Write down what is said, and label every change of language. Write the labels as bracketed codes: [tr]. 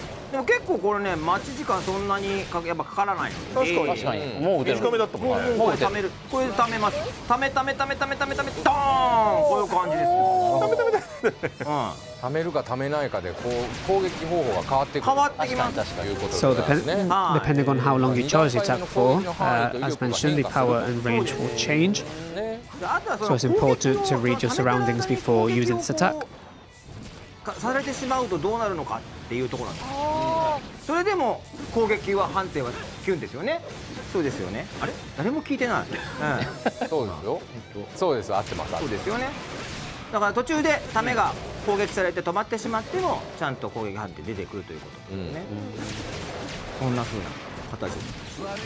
[ja] でも結構これね待ち時間そんなにやっぱかからないので。確かに、もう打てる。短めだったもんね。もう溜める。これで溜めます。溜め溜め溜め溜め溜め溜め、ダーン、こういう感じです。溜め溜め溜め、溜めるか溜めないかでこう攻撃方法が変わってくる。変わってきます。 [en] そう、depending on how long you charge the attack for, as mentioned, the power and range will change. So it's important to read your surroundings before using this attack. [ja] されてしまうとどうなるのかっていうところなんです。それでも攻撃は判定はキュンですよね。そうですよね。あれ誰も聞いてない。そうですよ。そうです、合ってます。そうですよね。だから途中でタメが攻撃されて止まってしまってもちゃんと攻撃判定出てくるということですね、うん、こんな風な形です。